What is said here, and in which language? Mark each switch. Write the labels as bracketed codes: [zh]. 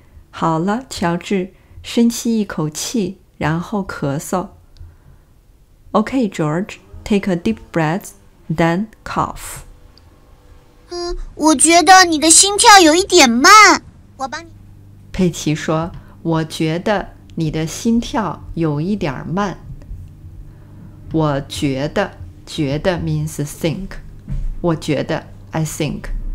[zh] 好了，乔治，深吸一口气，然后咳嗽。 [en] Okay, George, take a deep breath, then cough. [zh] 我觉得你的心跳有一点慢，我帮你。佩奇说：“我觉得你的心跳有一点慢。” 我觉得。觉得 [en] means think. [zh] 我觉得 [en] I think.